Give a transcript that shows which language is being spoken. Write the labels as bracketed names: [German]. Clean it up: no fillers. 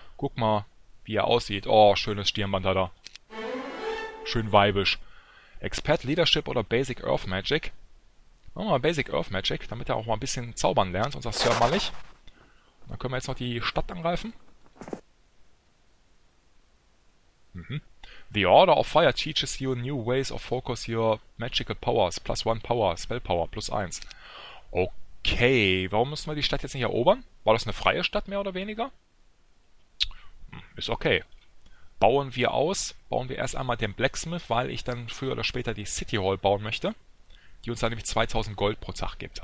[German] Guck mal, wie er aussieht. Oh, schönes Stirnband hat er. Schön weibisch. Expert Leadership oder Basic Earth Magic? Machen wir mal Basic Earth Magic, damit er auch mal ein bisschen zaubern lernt, unser Sir Mallich. Dann können wir jetzt noch die Stadt angreifen. [English] The Order of Fire teaches you new ways of focus your magical powers. Plus one power, spell power, [German] plus eins. [English] Okay. [German] Okay, warum müssen wir die Stadt jetzt nicht erobern? War das eine freie Stadt, mehr oder weniger? Ist okay. Bauen wir aus. Bauen wir erst einmal den Blacksmith, weil ich dann früher oder später die City Hall bauen möchte. Die uns dann nämlich 2000 Gold pro Tag gibt.